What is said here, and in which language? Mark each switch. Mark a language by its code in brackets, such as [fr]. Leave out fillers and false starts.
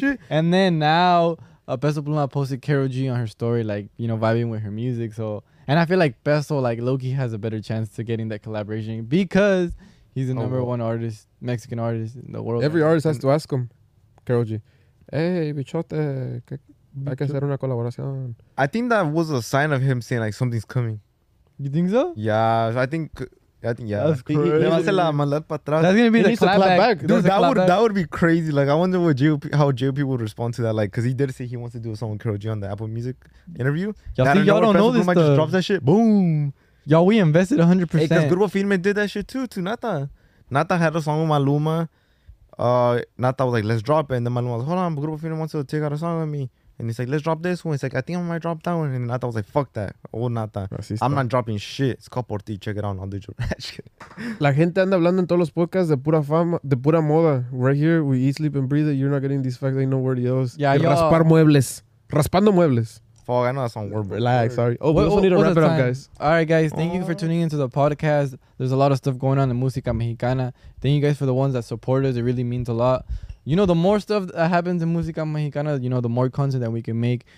[en] And then now Peso Pluma posted Karol G on her story, like, you know, vibing with her music. So, and I feel like Peso, like, low-key has a better chance to getting that collaboration because he's the number one artist, Mexican artist in the world. Every artist has to ask him, Karol G. [es] Hey, bichote, hay que hacer una colaboración. [en] I think that was a sign of him saying, like, something's coming. You think so? Yeah, I think, yeah. That's crazy. That's going to be the clapback. That would be crazy. Like, I wonder how JOP would respond to that. Like, because he did say he wants to do a song with Karol G on the Apple Music interview. Y'all don't know this stuff. Just drops that shit. Boom. Y'all, we invested 100%. Because Grupo Firme did that shit too, to Nata. Nata had a song with Maluma. Nata was like, let's drop it. And then Maluma was like, hold on, but Grupo Firme wants to take out a song with me. And he's like, let's drop this one. He's like, I think I might drop that one. And Nata was like, fuck that. Oh, Nata. Racista. I'm not dropping shit. It's called Por Ti. Check it out. I'll do your match. [es] La gente anda hablando en todos los podcasts de pura fama, de pura moda. [en] Right here, we eat, sleep, and breathe it. You're not getting these facts. Ain't nobody else. Yeah, [es] yo. Raspar muebles. Raspando muebles. [en] Fuck, I know that's on word, bro. Relax, sorry. Oh, we also need to wrap it up, guys. All right, guys. Thank you for tuning into the podcast. There's a lot of stuff going on in Música Mexicana. Thank you guys for the ones that support us. It really means a lot. You know, the more stuff that happens in Música Mexicana, you know, the more content that we can make.